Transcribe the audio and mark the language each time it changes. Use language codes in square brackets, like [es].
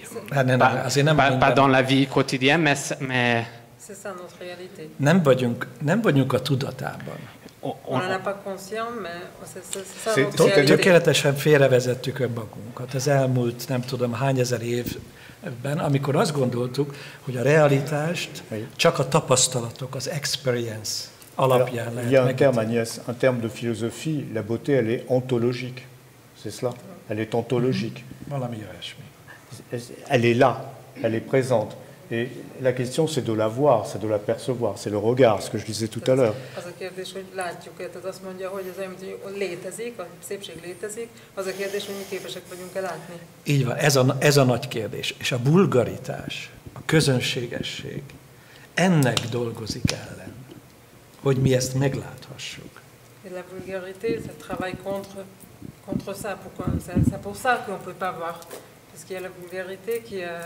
[fr] Pas dans la vie quotidienne, mais c'est ça notre réalité. [hu] Nem vagyunk a tudatában. [fr] On n'en a pas conscience, mais c'est ça. [hu] Tökéletesen félrevezettük önmagunkat az elmúlt, nem tudom, hány ezer évben, amikor azt gondoltuk, hogy a realitást csak a tapasztalatok, az experience alapján lehet [fr] megítélni. Il y a un terme, Agnès, un terme de philosophie, la beauté, elle est ontologique. C'est cela. Elle est ontologique. [hu] Valami olyasmi. [fr] Elle est là, elle est présente. Et la question, c'est de la voir, c'est de la percevoir, c'est le regard, ce que je disais tout à l'heure. [hu] Az a kérdés, hogy látjuk-e, tehát azt mondja, hogy az emberi létezik, a szépség létezik, az a kérdés, hogy mi képesek vagyunk-e látni. Így van, ez a nagy kérdés. És a bulgaritás, a közönségesség ennek dolgozik ellen, hogy mi ezt megláthassuk. [fr] Et la vulgarité, ça travaille contre ça, c'est pour ça qu'on ne peut pas voir. Parce qu'il y a la vulgarité qui...